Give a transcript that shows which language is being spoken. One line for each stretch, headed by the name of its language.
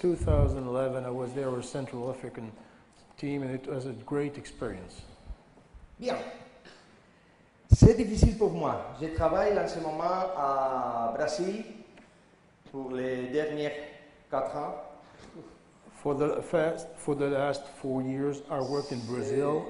English: 2011, I was there with Central African team and it was a great experience.
French: Bien. C'est difficile pour moi. Je travaille en ce moment à Brésil pour les derniers 4 ans.
English: For the last 4 years, I work in Brazil.